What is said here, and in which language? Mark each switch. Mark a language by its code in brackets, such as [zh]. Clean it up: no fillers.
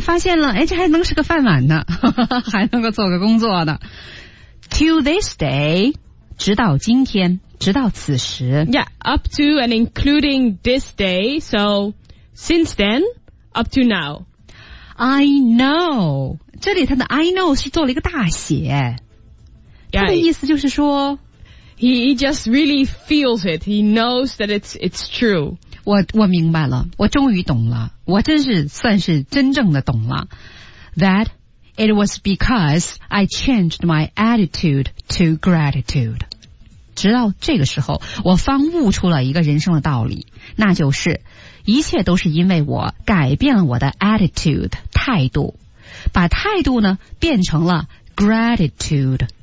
[zh] 发现了，这还能是个饭碗呢，还能够做个工作呢。 [en] To this day, [zh] 直到今天，直到此时。 [en] Yeah, up to and including this day, so since then, up to now. I know. [zh] 这里他的 [en] I know [zh] 是做了一个大写。 [en] Yeah, [zh] 他的意思就是说 [en] he just really feels it. He knows that it's true. [zh] 我明白了，我终于懂了，我真是算是真正的懂了。 [en] That it was because I changed my attitude to gratitude. [zh] 直到这个时候，我方悟出了一个人生的道理，那就是一切都是因为我改变了我的 attitude 态度，把态度呢变成了 gratitude。